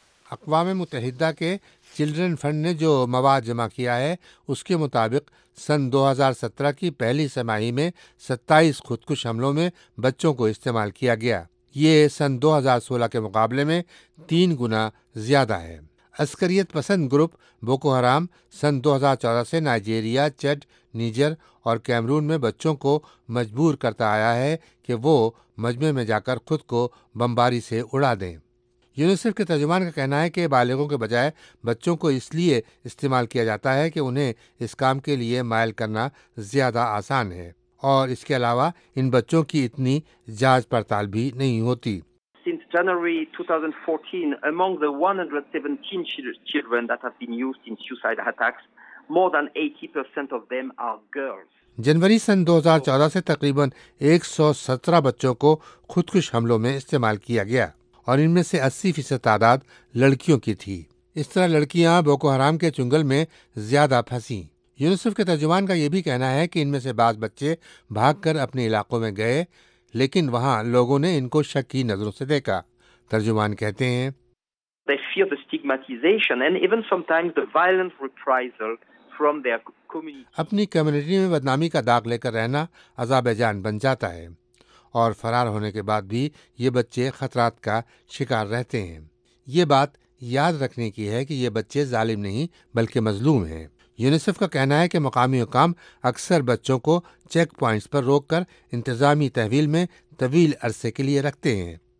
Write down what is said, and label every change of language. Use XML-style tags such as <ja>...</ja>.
<ur>اقوام متحدہ کے چلڈرن فنڈ نے جو مواد جمع کیا ہے اس کے مطابق سن 2017 کی پہلی سہ ماہی میں 27 خودکش حملوں میں بچوں کو استعمال کیا گیا۔ یہ سن 2016 کے مقابلے میں 3 گنا زیادہ ہے۔ عسکریت پسند گروپ بوکو حرام سن 2014 سے نائجیریا، چیڈ، نیجر اور کیمرون میں بچوں کو مجبور کرتا آیا ہے کہ وہ مجمع میں جا کر خود کو بمباری سے اڑا دیں۔ یونیسیف کے ترجمان کا کہنا ہے کہ بالغوں کے بجائے بچوں کو اس لیے استعمال کیا جاتا ہے کہ انہیں اس کام کے لیے مائل کرنا زیادہ آسان ہے، اور اس کے علاوہ ان بچوں کی اتنی جانچ پڑتال بھی نہیں ہوتی۔</ur> <en>January 2014, among the 117 children that have been used in suicide attacks, more than 80% of them are girls.</en> <ur>جنوری سن 2014 سے تقریباً 117 بچوں کو خودکش حملوں میں استعمال کیا گیا اور ان میں سے 80% تعداد لڑکیوں کی تھی۔ اس طرح لڑکیاں بوکو حرام کے چنگل میں زیادہ پھنسیں۔ یونیسیف کے ترجمان کا یہ بھی کہنا ہے کہ ان میں سے بعض بچے بھاگ کر اپنے علاقوں میں گئے لیکن وہاں لوگوں نے ان کو شک کی نظروں سے دیکھا۔ ترجمان کہتے ہیں</ur> <en>They fear the stigmatization and even sometimes the violent reprisal from their community.</en> <ur>اپنی کمیونٹی میں بدنامی کا داغ لے کر رہنا عذاب جان بن جاتا ہے، اور فرار ہونے کے بعد بھی یہ بچے خطرات کا شکار رہتے ہیں۔ یہ بات یاد رکھنے کی ہے کہ یہ بچے ظالم نہیں بلکہ مظلوم ہیں۔ یونیسیف کا کہنا ہے کہ مقامی حکام اکثر بچوں کو چیک پوائنٹس پر روک کر انتظامی تحویل میں طویل عرصے کے لیے رکھتے ہیں۔</ur>